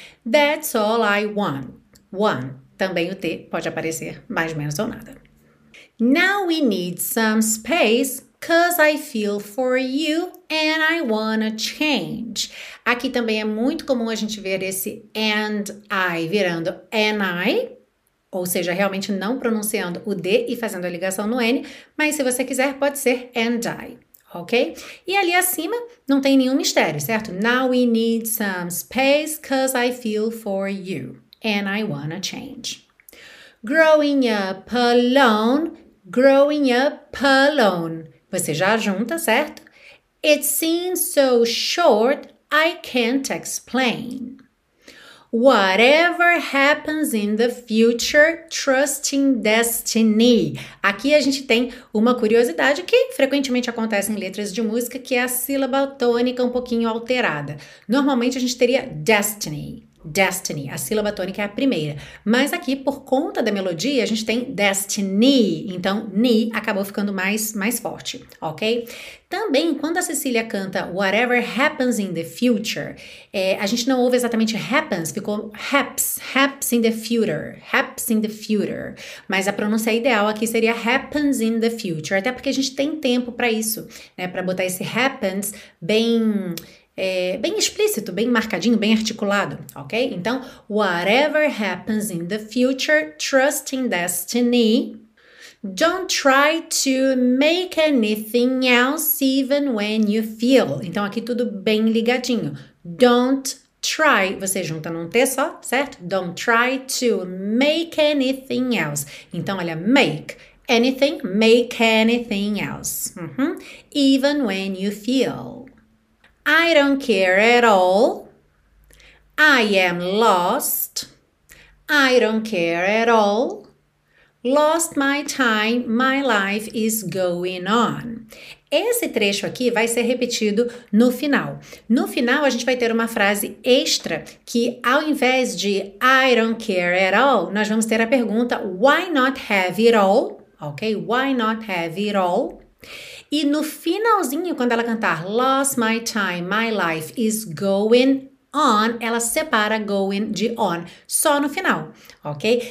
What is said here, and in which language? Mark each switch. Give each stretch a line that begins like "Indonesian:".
English: That's all I want,
Portuguese: one, também o T pode aparecer mais, menos ou nada.
English: Now we need some space, 'cause I feel for you and I wanna change.
Portuguese: Aqui também é muito comum a gente ver esse and I virando and I, ou seja, realmente não pronunciando o D e fazendo a ligação no N, mas se você quiser pode ser and I, ok? E ali acima não tem nenhum mistério, certo?
English: Now we need some space 'cause I feel for you and I wanna change. Growing up alone, growing up alone.
Portuguese: Você já junta, certo?
English: It seems so short, I can't explain. Whatever happens in the future, trusting destiny.
Portuguese: Aqui a gente tem uma curiosidade que frequentemente acontece em letras de música, que é a sílaba tônica um pouquinho alterada. Normalmente a gente teria destiny. Destiny, a sílaba tônica é a primeira. Mas aqui, por conta da melodia, a gente tem destiny. Então, ni acabou ficando mais forte, ok? Também, quando a Cecília canta
English: whatever happens in the future,
Portuguese: a gente não ouve exatamente happens, ficou haps in the future, haps in the future. Mas a pronúncia ideal aqui seria
English: happens in the future,
Portuguese: até porque a gente tem tempo para isso, né? Para botar esse happens bem explícito, bem marcadinho, bem articulado, ok?
English: Então, whatever happens in the future, trust in destiny. Don't try to make anything else even when you feel.
Portuguese: Então, aqui tudo bem ligadinho. Don't try, você junta num T só, certo?
English: Don't try to make anything else.
Portuguese: Então, olha,
English: make anything else. Uhum. Even when you feel. I don't care at all, I am lost, I don't care at all, lost my time, my life is going on.
Portuguese: Esse trecho aqui vai ser repetido no final. No final, a gente vai ter uma frase extra que, ao invés de
English: I don't care at all,
Portuguese: nós vamos ter a pergunta
English: why not have it all,
Portuguese: ok?
English: Why not have it all?
Portuguese: E no finalzinho, quando ela cantar
English: lost my time, my life is going on,
Portuguese: ela separa going de on, só no final, ok?